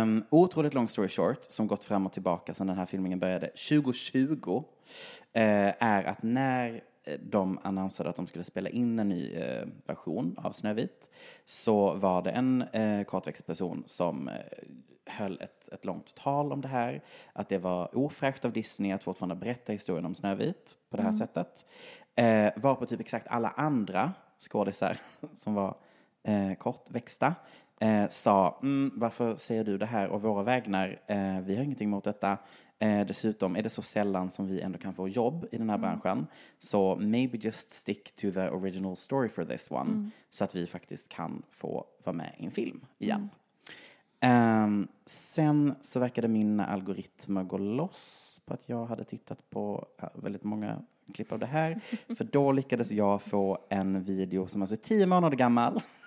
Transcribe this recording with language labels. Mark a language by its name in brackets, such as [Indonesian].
[Swedish] Otroligt [English] long story short [Swedish] som gått fram och tillbaka sedan den här filmen började 2020 är att när de annonserade att de skulle spela in en ny version av Snövit så var det en kortväxtperson som höll ett långt tal om det här, att det var ofräscht av Disney att fortfarande berätta historien om Snövit på det här sättet, var på typ exakt alla andra skådisar som var kortväxta. Sa, varför säger du det här och våra vägnar? Vi har ingenting mot detta. Dessutom är det så sällan som vi ändå kan få jobb i den här branschen. [English] Så maybe just stick to the original story for this one. Mm. [Swedish] Så att vi faktiskt kan få vara med i en film igen. Mm. Sen så verkade mina algoritmer gå loss på att jag hade tittat på väldigt många klipp av det här. För då lyckades jag få en video som alltså är 10 månader gammal.